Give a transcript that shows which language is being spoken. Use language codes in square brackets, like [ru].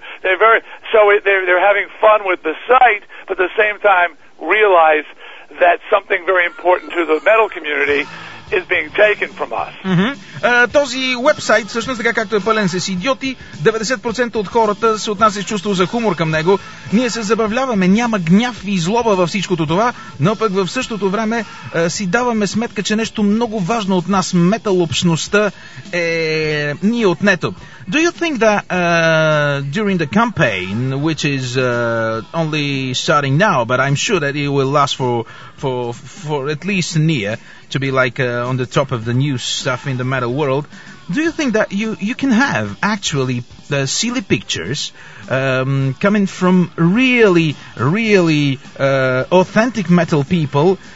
[en] So they're having fun with the site, but at the same time realize that something very important to the metal community is being taken from us. Mm-hmm. [bg] Този уебсайт, всъщност така както е пълен с идиоти, 90% от хората се отнася с чувство за хумор към него. Ние се забавляваме, няма гняв и злоба във всичкото това, но пък в същото време си даваме сметка, че нещо много важно от нас, метал общността, е ние отнето. [en] Do you think that during the campaign, which is only starting now, but I'm sure that it will last for at least a year, to be like on the top of the new stuff in the metal world, do you think that you can have actually the silly pictures coming from really, really authentic metal people